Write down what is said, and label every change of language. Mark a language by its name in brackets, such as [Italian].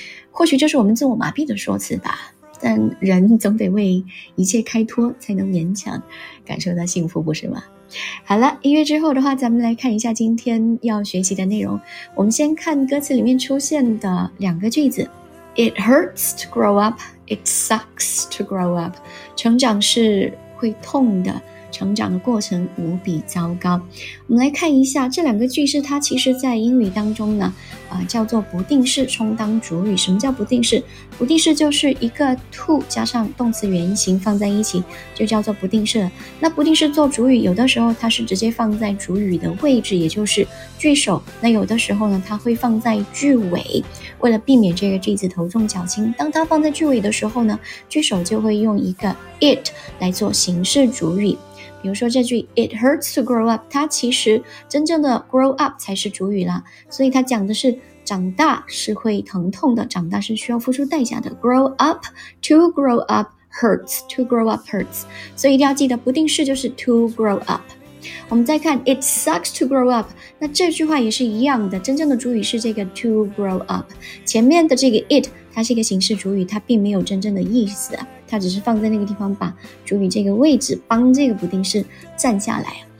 [Chinese] 或许这是我们自我麻痹的说辞吧，但人总得为一切开脱，才能勉强感受到幸福，不是吗？好了，音乐之后的话，咱们来看一下今天要学习的内容。我们先看歌词里面出现的两个句子。 [English] It hurts to grow up, it sucks to grow up. [Chinese] 成长是会痛的，成长的过程无比糟糕。我们来看一下这两个句式，它其实在英语当中呢、叫做不定式充当主语。什么叫不定式？不定式就是一个 to 加上动词原形放在一起就叫做不定式。那不定式做主语，有的时候它是直接放在主语的位置，也就是句首，那有的时候呢，它会放在句尾，为了避免这个句子头重脚轻，当它放在句尾的时候呢，句首就会用一个 it 来做形式主语。比如说这句 [English] It hurts to grow up， [Chinese] 它其实真正的 grow up 才是主语啦，所以它讲的是长大是会疼痛的，长大是需要付出代价的。 [English] Grow up to grow up hurts to grow up hurts， [Chinese] 所以一定要记得不定式就是 [English] to grow up。 [Chinese] 我们再看 [English] It sucks to grow up， [Chinese] 那这句话也是一样的，真正的主语是这个 to grow up， 前面的这个 it 它是一个形式主语，它并没有真正的意思，它只是放在那个地方，把主语这个位置帮这个不定式占下来。